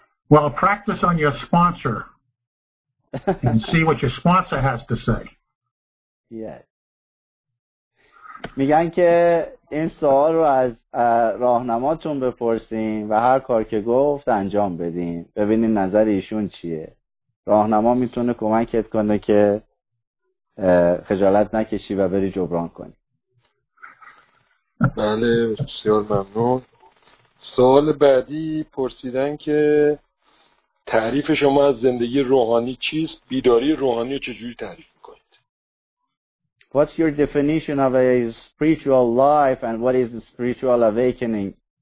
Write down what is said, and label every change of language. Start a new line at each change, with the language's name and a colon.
English: Well, practice on your sponsor and see what your sponsor has to say. Yeah.
Persian: میگن که این سوال رو از راهنماتون بپرسین و هر کار که گفت انجام بدین، ببینین نظر ایشون چیه. راهنما میتونه کمکت کنه که خجالت نکشی و بری جبران کنی. بله، بسیار ممنون. سوال بعدی پرسیدن که تعریف شما از زندگی روحانی چیست؟ بیداری روحانی رو چجوری تعریف میکنید؟
English: What's your definition of a spiritual life and what is spiritual awakening?